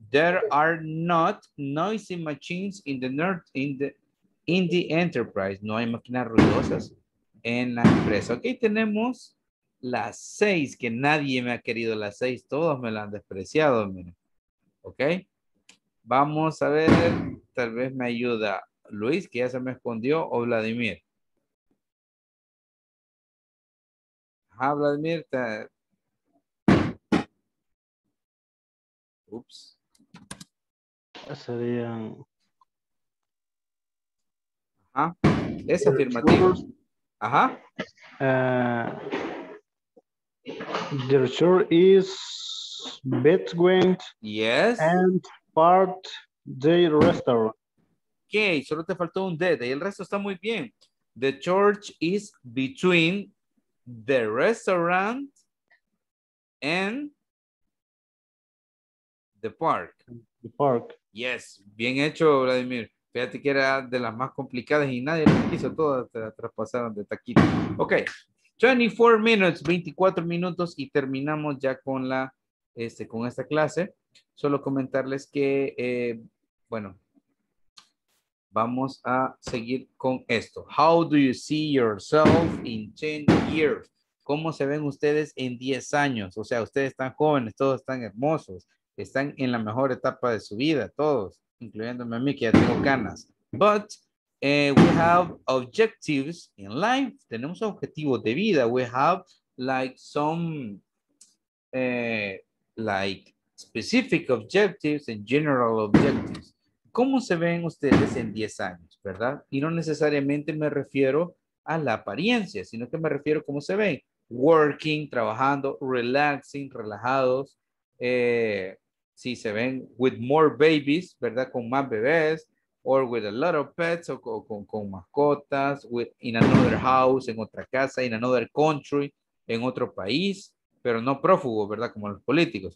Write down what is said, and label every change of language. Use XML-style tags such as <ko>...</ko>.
<en>There are not noisy machines in the north in the enterprise.</en> <es>No hay máquinas ruidosas en la empresa. Okay, tenemos las 6, que nadie me ha querido las 6, todos me la han despreciado, mira. Ok, vamos a ver, tal vez me ayuda Luis, que ya se me escondió, o Vladimir. Ajá, Vladimir, ups. Sería. Ajá, es afirmativo. Ajá.</es> <en>The shore is between. Yes. And part the restaurant.</en> <es>Okay, solo te faltó un de. Y el resto está muy bien.</es> <en>The church is between the restaurant and the park. The park.</en> <es>Yes, bien hecho, Vladimir. Fíjate que era de las más complicadas y nadie lo quiso. Todas te la traspasaron de taquito. Okay.</es> <en>24 minutes,</en> <es>24 minutos y terminamos ya con la con esta clase. Solo comentarles que bueno, vamos a seguir con esto.</es> <en>How do you see yourself in 10 years?</en> <es>¿Cómo se ven ustedes en 10 años? O sea, ustedes están jóvenes, todos están hermosos, están en la mejor etapa de su vida, todos, incluyéndome a mí que ya tengo canas.</es> <en>But we have objectives in life.</en> <es>Tenemos objetivos de vida.</es> <en>We have like some like specific objectives and general objectives.</en> <es>¿Cómo se ven ustedes en 10 años, verdad? Y no necesariamente me refiero a la apariencia, sino que me refiero a cómo se ven.</es> <en>Working,</en> <es>trabajando,</es> <en>relaxing,</en> <es>relajados. Si se ven</es> <en>with more babies,</en> <es>¿verdad? Con más bebés.</es> <en>Or with a lot of pets,</en> <es>o con mascotas,</es> <en>with, in another house,</en> <es>en otra casa,</es> <en>in another country,</en> <es>en otro país, pero no prófugo, ¿verdad? Como los políticos.</es>